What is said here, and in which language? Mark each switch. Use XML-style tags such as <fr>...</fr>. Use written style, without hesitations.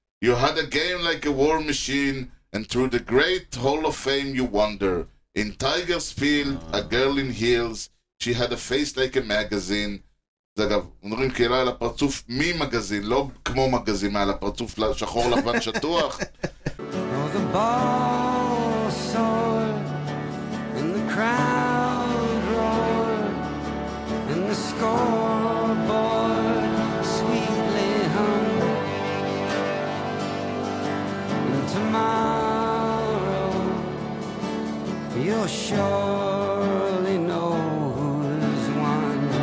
<en>You had a game like a war machine, and through the great Hall of Fame you wander. In Tiger's Field, a girl in heels, she had a face like a magazine.</en> <he>זה אגב, אומרים קהילה על הפרצוף ממגזין, לא כמו מגזין, על הפרצוף שחור לבן שטוח.</he> <en>Oh, the ball soared. Crowd roared, and the scoreboard sweetly hung. And tomorrow, you'll surely know who's won.</en>